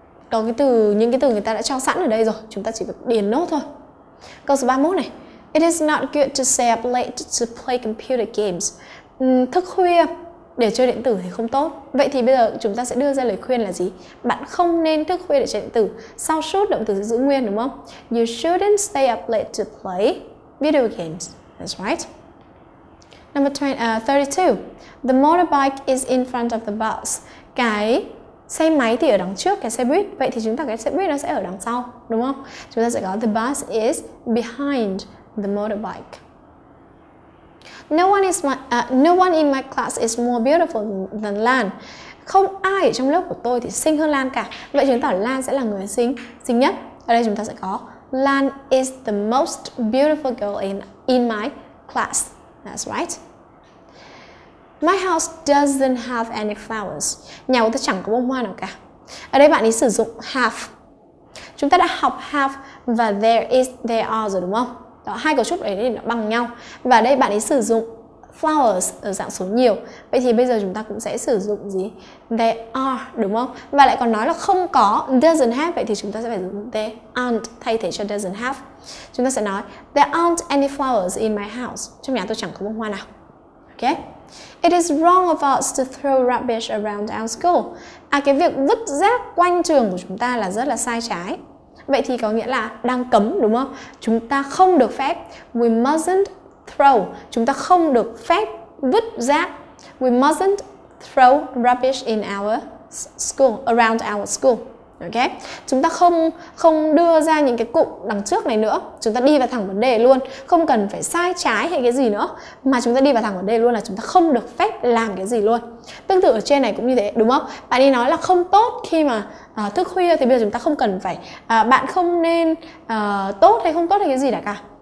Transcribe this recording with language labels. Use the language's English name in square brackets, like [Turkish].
[Vietnamese] Có cái từ, những cái từ người ta đã cho sẵn ở đây rồi, chúng ta chỉ việc điền nốt thôi. Câu số 31 này. [English] It is not good to stay up late to play computer games. [Vietnamese] Thức khuya để chơi điện tử thì không tốt. Vậy thì bây giờ chúng ta sẽ đưa ra lời khuyên là gì? Bạn không nên thức khuya để chơi điện tử. Sau should động từ sẽ giữ nguyên đúng không? [English] You shouldn't stay up late to play video games. That's right. Number 32. The motorbike is in front of the bus. [Vietnamese] Cái xe máy thì ở đằng trước cái xe buýt, vậy thì chúng ta cái xe buýt nó sẽ ở đằng sau, đúng không? Chúng ta sẽ có [English] the bus is behind the motorbike. No one in my class is more beautiful than Lan. [Vietnamese] Không ai ở trong lớp của tôi thì xinh hơn Lan cả. Vậy chứng tỏ Lan sẽ là người xinh nhất. Ở đây chúng ta sẽ có [English] Lan is the most beautiful girl in my class. That's right. My house doesn't have any flowers. [Vietnamese] Nhà của tôi chẳng có bông hoa nào cả. Ở đây bạn ấy sử dụng have. Chúng ta đã học have và there is, there are rồi đúng không? Đó, hai cấu trúc đấy thì nó bằng nhau. Và đây bạn ấy sử dụng flowers ở dạng số nhiều. Vậy thì bây giờ chúng ta cũng sẽ sử dụng gì? There are, đúng không? Và lại còn nói là không có, doesn't have. Vậy thì chúng ta sẽ phải dùng there aren't thay thế cho doesn't have. Chúng ta sẽ nói [English] there aren't any flowers in my house. [Vietnamese] Trong nhà tôi chẳng có bông hoa nào. Okay. [English] It is wrong of us to throw rubbish around our school. [Vietnamese] À, cái việc vứt rác quanh trường của chúng ta là rất là sai trái. Vậy thì có nghĩa là đang cấm, đúng không? Chúng ta không được phép. [English] We mustn't throw. [Vietnamese] Chúng ta không được phép vứt rác. [English] We mustn't throw rubbish in our school, around our school. Okay. [Vietnamese] Chúng ta không đưa ra những cái cụm đằng trước này nữa. Chúng ta đi vào thẳng vấn đề luôn. Không cần phải sai trái hay cái gì nữa. Mà chúng ta đi vào thẳng vấn đề luôn là chúng ta không được phép làm cái gì luôn. Tương tự ở trên này cũng như thế, đúng không? Bạn ấy nói là không tốt khi mà thức khuya. Thì bây giờ chúng ta không cần phải bạn không nên tốt hay không tốt hay cái gì cả.